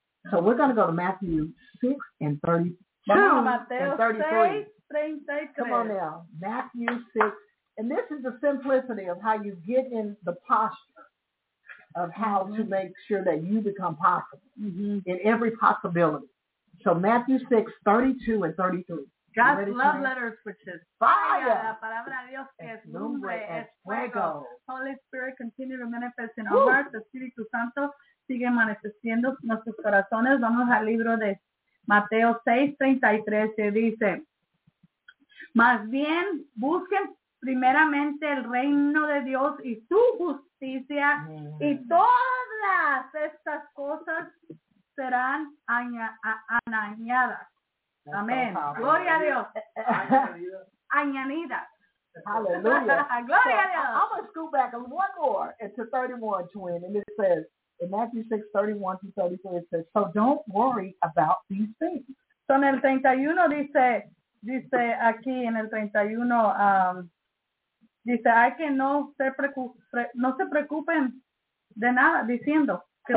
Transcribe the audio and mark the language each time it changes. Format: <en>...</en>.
<en>So we're going to go to Matthew 6 and 33. Come on now. Matthew 6. And this is the simplicity of how you get in the posture of how to make sure that you become possible in every possibility. So Matthew 6, 32 and 33. God's love letters, which is fire.</en> <es>La palabra de Dios que es lumbre, es fuego.</es> <en>Holy Spirit, continue to manifest in our hearts.</en> <es>Espíritu Santo sigue manifestando nuestros corazones. Vamos al libro de Mateo 6:33 dice, más bien busquen primeramente el reino de Dios y su justicia y todas estas cosas serán añadidas. Amén. Gloria a Dios. Añadidas.</es> <en>Hallelujah.</en> <es>Gloria a Dios.</es> <en>I'm going to scoot back one more to 31, twin, and it says, in Matthew 6:31-34, it says, so don't worry about these things. So in</en> <es>el 31 dice aquí en el 31, dice, hay que no se preocupen de nada, diciendo, que</es>